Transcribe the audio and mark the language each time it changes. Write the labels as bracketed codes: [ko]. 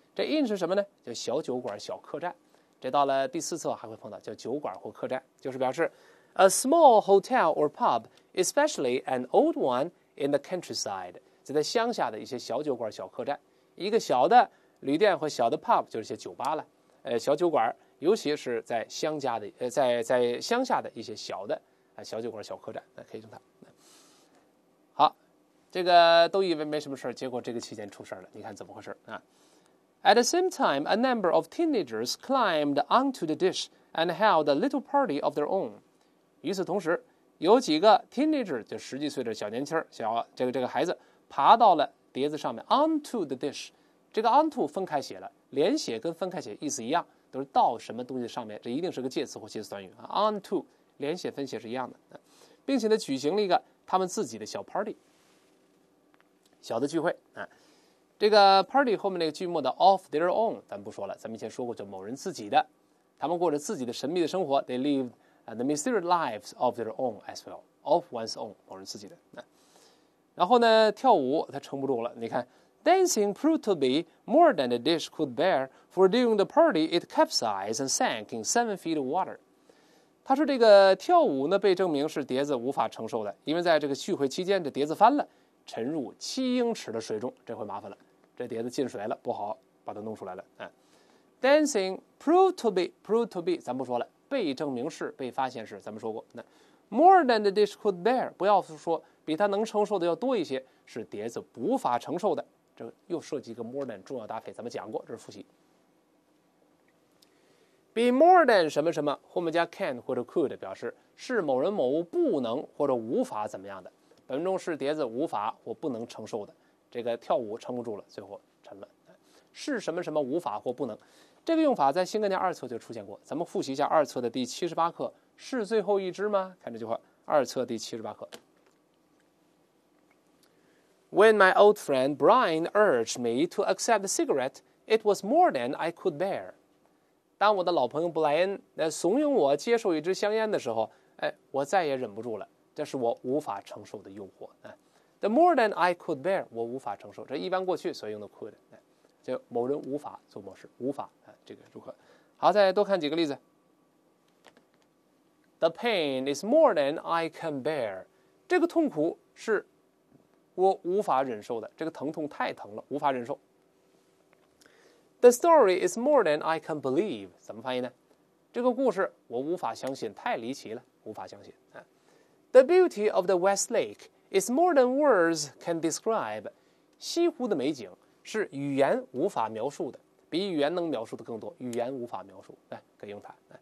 [zh] 这 inn 是什么呢？叫小酒馆、小客栈。这到了第四次还会碰到叫酒馆或客栈，就是表示 [en] a small hotel or pub, especially an old one in the countryside， [zh] 就在乡下的一些小酒馆、小客栈，一个小的旅店或小的 pub 就是一些酒吧了，小酒馆。尤其是在乡家的在乡下的一些小的小酒馆小客栈，可以用它。好，这个都以为没什么事，结果这个期间出事了，你看怎么回事啊。 [en] At the same time, a number of teenagers climbed onto the dish and held a little party of their own. [zh] 与此同时，有几个 teenager 就十几岁的小年轻小这个孩子爬到了碟子上面， [en] onto the dish， [zh] 这个 onto 分开写了，连写跟分开写意思一样，都是到什么东西上面，这一定是个介词或介词短语啊。 On to 连写分写是一样的，并且呢举行了一个他们自己的小 party， 小的聚会啊。这个 party 后面那个句末的 [en] of their own [zh] 咱不说了，咱们以前说过叫某人自己的，他们过着自己的神秘的生活。 [en] They live the mysterious lives of their own as well, of one's own， [zh] 某人自己的。然后呢跳舞他撑不住了，你看。 [en] Dancing proved to be more than the dish could bear, for during the party, it capsized and sank in 7 feet of water. [zh] 他说这个跳舞呢被证明是碟子无法承受的，因为在这个聚会期间这碟子翻了，沉入7英尺的水中，这回麻烦了，这碟子进水了，不好把它弄出来了。 [en] Dancing proved to be, [zh] 咱不说了，被证明是，被发现是，咱们说过。 [en] More than the dish could bear, [zh] 不要说比它能承受的要多一些，是碟子无法承受的。这又涉及一个 more than 重要搭配，咱们讲过，这是复习。 Be more than 什么什么，后面加 can 或者 could 表示是某人某物不能或者无法怎么样的。本文中是碟子无法或不能承受的，这个跳舞撑不住了，最后沉了。是什么什么无法或不能，这个用法在新概念二册就出现过，咱们复习一下二册的第78课，是最后一只吗？看这句话，二册第78课。 [en] When my old friend Brian urged me to accept the cigarette, it was more than I could bear. [zh] 当我的老朋友布莱恩怂恿我接受一支香烟的时候，我再也忍不住了，这是我无法承受的诱惑。 [en] The more than I could bear, [zh] 我无法承受，这一般过去所用的 could， 就某人无法做某事，无法，这个如何。好，再多看几个例子。 [en] The pain is more than I can bear. [zh] 这个痛苦是我无法忍受的，这个疼痛太疼了，无法忍受。 [en] The story is more than I can believe， [zh] 怎么翻译呢？这个故事我无法相信，太离奇了，无法相信。 [en] The beauty of the West Lake is more than words can describe， [zh] 西湖的美景是语言无法描述的，比语言能描述的更多，语言无法描述，可以用它。